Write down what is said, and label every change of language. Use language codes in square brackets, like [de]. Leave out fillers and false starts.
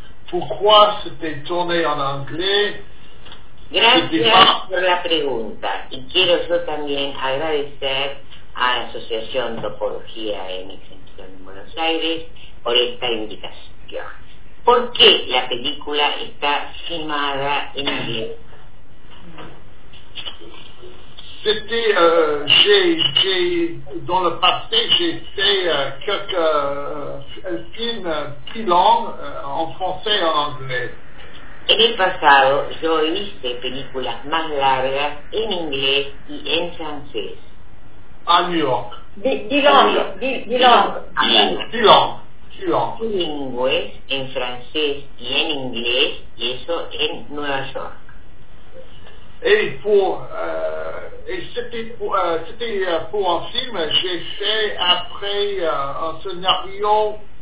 [fr] Pourquoi c'était tourné en anglais? [es] Gracias por la pregunta. Y quiero yo también agradecer a la Asociación Topología en Extensión en Buenos Aires por esta invitación. ¿Por qué la película está filmada en inglés? [fr] C'était, j'ai, dans le passé, j'ai fait quelques films plus longs en français et en anglais. [es] En el pasado, yo hice películas más largas en inglés y en francés. [fr] A New York. [es] Bilingües en francés y en inglés, y eso en Nueva York. [fr] Et pour un film, j'ai fait après un scénario.